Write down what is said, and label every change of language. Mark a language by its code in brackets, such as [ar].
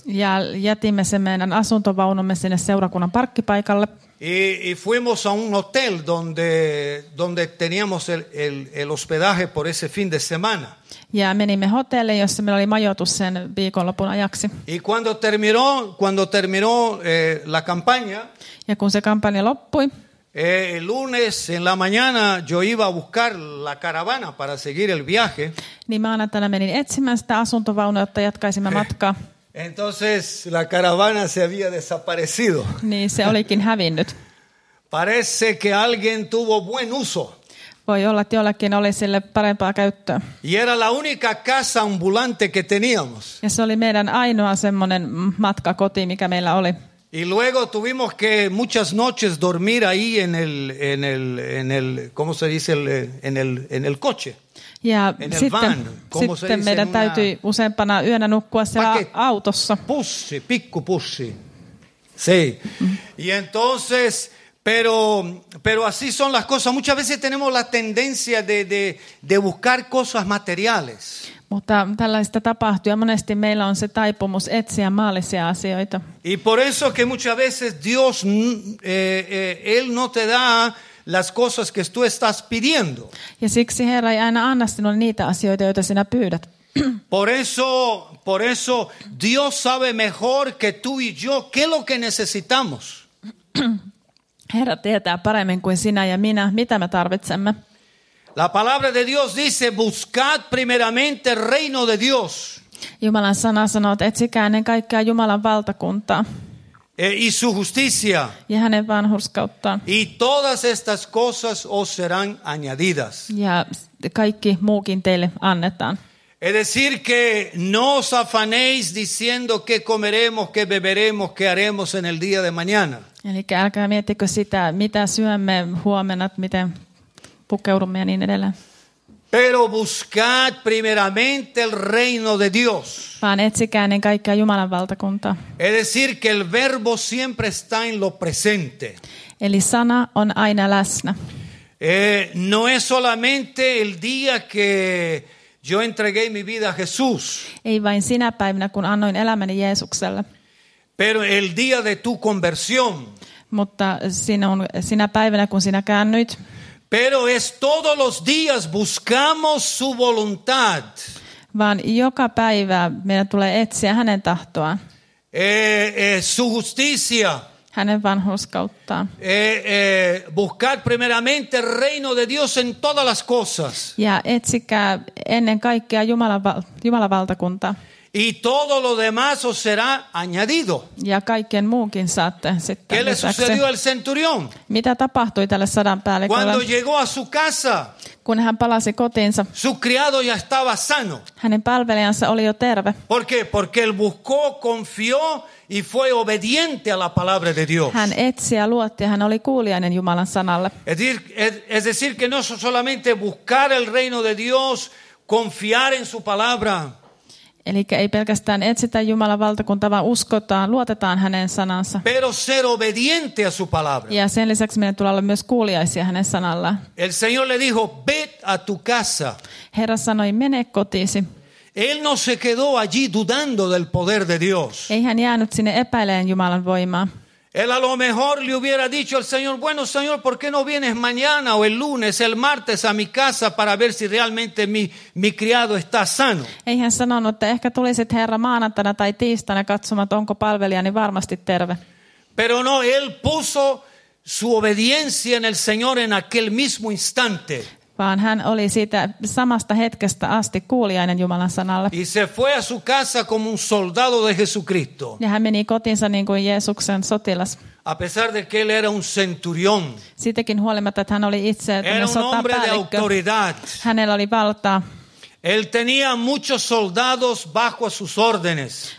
[fi] Ja jätimme sen meidän asuntovaunumme sinne seurakunnan parkkipaikalle. [es] Y fuimos a un hotel donde teníamos el hospedaje por ese fin de semana. [fi] Ja menimme hotelliin, jossa meillä oli majoitus sen viikonlopun ajaksi. [es] Y cuando terminó la campaña. [fi] Ja kun se kampanja loppui. [es] El lunes en la mañana yo iba a buscar la caravana para seguir el viaje. [fi] Niin maanantaina menin etsimään sitä asuntovaunua, jotta jatkaisimme matkaa. [es] Entonces la caravana se había desaparecido. [fi] Niin se olikin hävinnyt. [es] Parece que alguien tuvo buen uso. [fi] Voi olla, että jollakin oli sille parempaa käyttöä. [es] Y era la única casa ambulante que teníamos. [fi] Ja se oli meidän ainoa semmoinen matkakoti, mikä meillä oli. [es] Y luego tuvimos que muchas noches dormir ahí en el ¿cómo se dice? En el coche. [fi] Ja sitten meidän täytyi useampana yönä nukkua siellä autossa. Pussi, pikku pussi. [es] Sí. Y entonces, pero así son las cosas. Muchas veces tenemos la tendencia de buscar cosas materiales. [fi] Mutta tällaista tapahtuu ja monesti meillä on se taipumus etsiä maallisia asioita. [es] Y por eso que muchas veces Dios él no te da las cosas que tú estás pidiendo. [fi] Ja siksi Herra ei aina anna sinulle niitä asioita, joita sinä pyydät. [es] Por eso Dios sabe mejor que tú y yo qué es lo que necesitamos. [fi] Herra tietää paremmin kuin sinä ja minä, mitä me tarvitsemme. [es] La palabra de Dios dice, buscad primeramente el reino de Dios. [fi] Jumalan sana sanoo, että etsikää ennen kaikkea Jumalan valtakuntaa. [es] Y su justicia. [fi] Ja hänen vanhurskauttaan. [es] Y todas estas cosas os serán añadidas. [fi] Ja kaikki muukin teille annetaan. [es] Es decir que no os afanéis diciendo qué comeremos, qué beberemos, qué haremos en el día de mañana. [fi] Eli älkää miettikö sitä, mitä syömme huomenna, miten pukeudumme ja niin edelleen. [es] Pero buscad primeramente el reino de Dios. [fi] Vaan etsikää ennen kaikkea Jumalan valtakunta. [es] Es decir que el verbo siempre está en lo presente. [fi] Eli sana on aina läsnä. [es] No es solamente el día que yo entregué mi vida a Jesús. [fi] Ei vain sinä päivänä, kun annoin elämäni Jeesukselle. [es] Pero el día de tu conversión. [fi] Mutta sinä päivänä, kun sinä käännyit. [es] Pero es todos los días buscamos su voluntad. [fi] Vaan joka päivä meidän tulee etsiä hänen tahtoaan. [es] Su justicia. [fi] Hänen vanhurskauttaan. [es] Buscar primeramente el reino de Dios en todas las cosas. [fi] Ja etsikää ennen kaikkea Jumalan valtakuntaa. [es] Y todo lo demás os será añadido. [fi] Ja kaiken muunkin saatte sitten. [es] ¿Qué le sucedió al centurión? [fi] Mitä tapahtui tälle sadan päällikölle? [es] Cuando llegó a su casa. [fi] Kun hän palasi kotiinsa. [es] Su criado ya estaba sano. [fi] Hänen palvelijansa oli jo terve. [es] ¿Por qué? Porque él buscó, confió y fue obediente a la palabra de Dios. [fi] Hän etsi ja luotti, hän oli kuulijainen Jumalan sanalle. [es] Es decir que no solamente buscar el reino de Dios, confiar en su palabra. [fi] Eli ei pelkästään etsitä Jumalan valtakuntaa, vaan uskotaan, luotetaan hänen sanansa. [es] Pero ser obediente a su palabra. [fi] Ja sen lisäksi meidän tulee olla myös kuulijaisia hänen sanallaan. [es] El Señor le dijo, "Ved a tu casa." [fi] Herra sanoi, mene kotiisi. [es] Él no se quedó allí dudando del poder de Dios. [fi] Ei hän jäänyt sinne epäileen Jumalan voimaa. [es] Él a lo mejor le hubiera dicho al Señor, bueno, Señor, ¿por qué no vienes mañana o el lunes, el martes a mi casa para ver si realmente mi criado está sano? [fi] Ei hän sanonut, että ehkä tulisit Herra maanantaina tai tiistaina katsomaan, onko palvelijani varmasti terve. [es] Pero no, él puso su obediencia en el Señor en aquel mismo instante. [fi] Vaan hän oli siitä samasta hetkestä asti kuulijainen Jumalan sanalle. [es] Y se fue a su casa como un soldado de Jesucristo. [fi] Ja hän meni kotinsa niin kuin Jeesuksen sotilas. [es] A pesar de que él era un centurión. [fi] Siitäkin huolimatta, että hän oli itse sotapäällikkö. Hänellä oli valtaa. [es] Él tenía muchos soldados bajo sus órdenes.